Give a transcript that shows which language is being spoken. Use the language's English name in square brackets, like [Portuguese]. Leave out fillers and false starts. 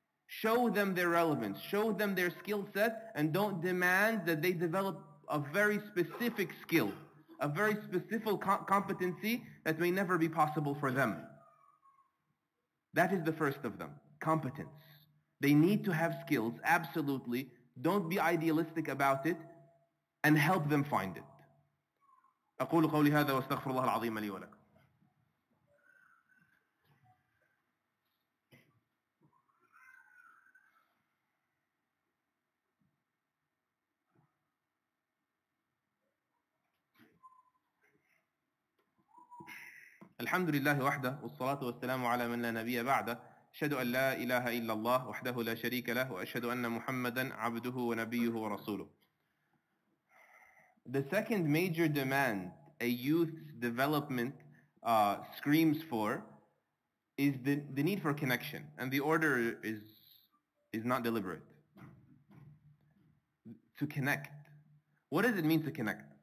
[English] Show them their relevance. Show them their skill set and don't demand that they develop a very specific skill, a very specific competency that may never be possible for them. That is the first of them, competence. They need to have skills, absolutely. Don't be idealistic about it and help them find it. [Arabic] أقول قولي هذا واستغفر الله العظيم لي ولك. الحمد لله وحده والصلاة والسلام على من لا نبي بعده أشهد أن لا إله إلا الله وحده لا شريك له وأشهد أن محمدا عبده ونبيه ورسوله. [English] The second major demand a youth's development screams for is the need for connection, and the order is not deliberate. To connect. What does it mean to connect?